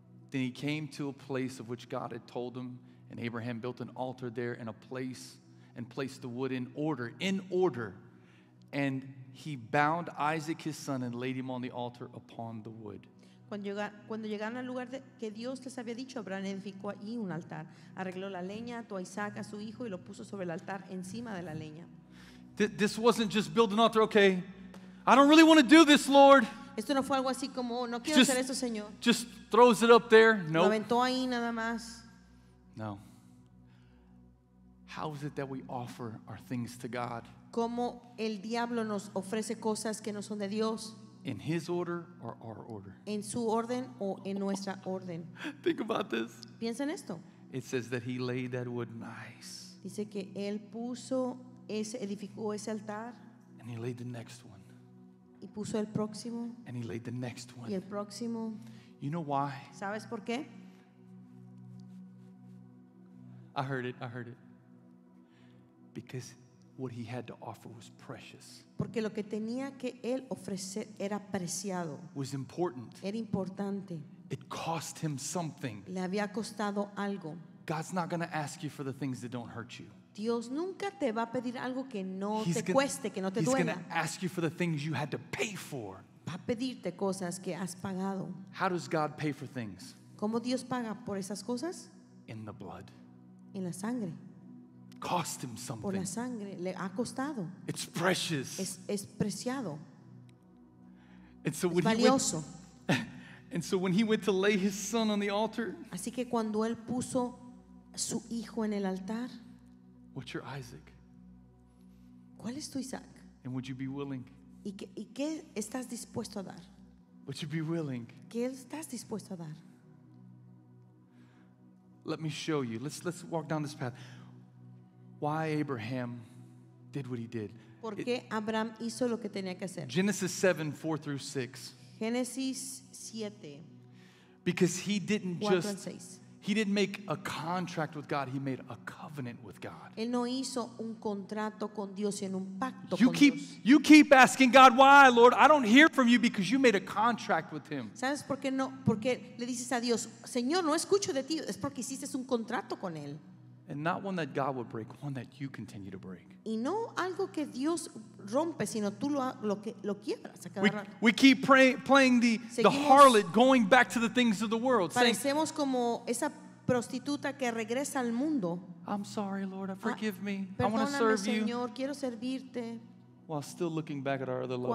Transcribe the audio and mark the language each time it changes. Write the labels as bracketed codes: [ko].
[en] Then he came to a place of which God had told him. And Abraham built an altar there in a place and placed the wood in order. And he bound Isaac his son and laid him on the altar upon the wood. [es] Cuando llegaron al lugar que Dios les había dicho, Abraham edificó allí un altar. Arregló la leña, ató a Isaac, a su hijo, y lo puso sobre el altar encima de la leña. [en] This wasn't just build an altar, okay. I don't really want to do this, Lord. [es] Esto no fue algo así como, no quiero hacer esto, Señor. [en] Just throws it up there. No. [es] Lo aventó ahí nada más. No. [en] How is it that we offer our things to God? [es] ¿Cómo el diablo nos ofrece cosas que no son de Dios? [en] In his order or our order? [es] ¿En su orden o en nuestra orden? [en] Think about this. [es] Piensa en esto. [en] It says that he laid that wood nice. [es] Dice que él puso ese, edificó ese altar. [en] And he laid the next one. [es] Y puso el próximo. [en] And he laid the next one. [es] Y el próximo. [en] You know why? [es] ¿Sabes por qué? [en] I heard it. Because what he had to offer was precious. [es] Porque lo que tenía que él ofrecer era preciado. [en] Was important. [es] Era importante. [en] It cost him something. [es] Le había costado algo. [en] God's not going to ask you for the things that don't hurt you. [es] Dios nunca te va a pedir algo que no te cueste, que no te duela. [en] He's going to ask you for the things you had to pay for. [es] Va a pedirte cosas que has pagado. [en] How does God pay for things? [es] ¿Cómo Dios paga por esas cosas? [en] In the blood. [es] En la sangre. [en] Cost him something. [es] Por la sangre le ha costado. [en] It's precious. [es] Es preciado. [en] And so when [es] es valioso. [en] When he went to lay his son on the altar, [es] así que cuando él puso su hijo en el altar, [en] what's your Isaac? [es] ¿Cuál es tu Isaac? [en] And would you be willing? [es] ¿Y qué estás dispuesto a dar? [en] Would you be willing? [es] ¿Qué estás dispuesto a dar? [en] Let me show you. Let's walk down this path. Why Abraham did what he did. [es] ¿Por qué Abraham hizo lo que tenía que hacer? [en] Genesis 7, 4 through 6. [es] Génesis 7. [en] Because he didn't just, he didn't make a contract with God, he made a covenant with God. [es] Él no hizo un contrato con Dios, sino un pacto con Dios. [en] You keep asking God, why, Lord? I don't hear from you because you made a contract with him. [es] ¿Sabes por qué no? Porque le dices a Dios, Señor, no escucho de ti, es porque hiciste un contrato con él. [en] And not one that God would break, one that you continue to break. [es] Y no algo que Dios rompe, sino tú lo quieras. [en] We keep playing the harlot, going back to the things of the world. [es] Parecemos como esa prostituta que regresa al mundo. [en] I'm sorry, Lord, forgive me. I want to serve you. [es] Señor, quiero servirte. [en] While still looking back at our other lovers.